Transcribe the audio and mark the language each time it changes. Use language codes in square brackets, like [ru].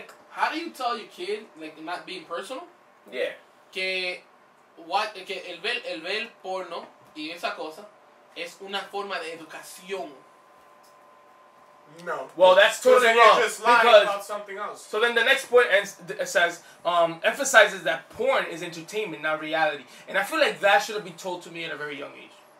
[en] How do you tell your kid, like, not being personal? Yeah. [es] Que el ver porno y esa cosa es una forma de educación. No. [en] Well, that's totally wrong. You're just lying about something else. So then the next point says, emphasizes that porn is entertainment, not reality. And I feel like that should have been told to me at a very young age.